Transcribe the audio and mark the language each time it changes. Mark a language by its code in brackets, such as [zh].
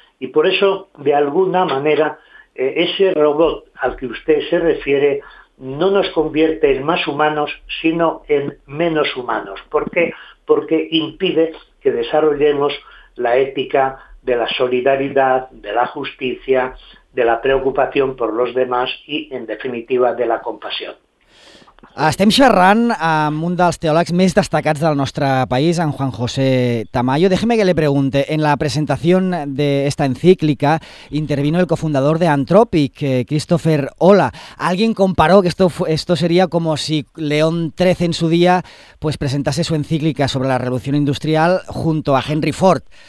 [es] Y por eso, de alguna manera, ese robot al que usted se refiere no nos convierte en más humanos, sino en menos humanos. ¿Por qué? Porque impide que desarrollemos la ética de la solidaridad, de la justicia, de la preocupación por los demás y, en definitiva, de la compasión. [ca] Estem xerrant amb un dels teòlegs més destacats del nostre país, en Juan José Tamayo. [es] Déjeme que le pregunte, en la presentación de esta encíclica intervino el cofundador de Anthropic, Christopher Ola. Alguien comparó que esto sería como si León XIII en su día pues presentase su encíclica sobre la revolución industrial junto a Henry Ford.